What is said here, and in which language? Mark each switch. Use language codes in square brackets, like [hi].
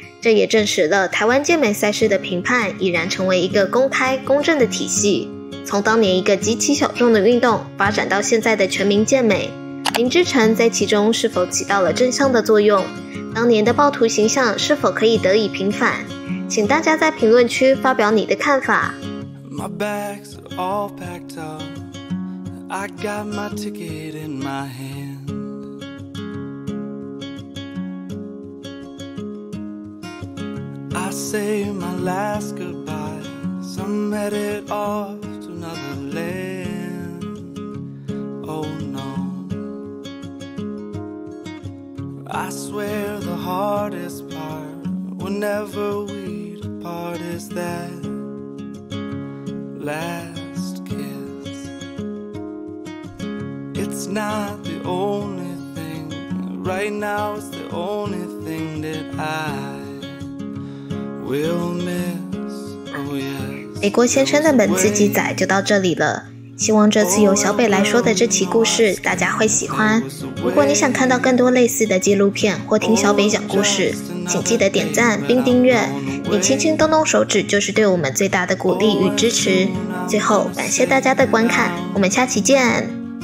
[zh] 这也证实了台湾健美赛事的评判已然成为一个公开公正的体系。从当年一个极其小众的运动发展到现在的全民健美，林志成在其中是否起到了正向的作用？当年的暴徒形象是否可以得以平反？请大家在评论区发表你的看法。 [en] My bags are all packed up, I got my ticket in my hand. I say my last goodbye, some headed off to another land. Oh no. I swear the hardest part whenever we. Part is that last kiss. It's not the only thing. Right now, it's the only thing that I will miss. Oh yeah. [zh] 李国先生的本次记载就到这里了。希望这次由小北来说的这期故事大家会喜欢。如果你想看到更多类似的纪录片或听小北讲故事，请记得点赞并订阅，你轻轻动动手指就是对我们最大的鼓励与支持。最后感谢大家的观看，我们下期见。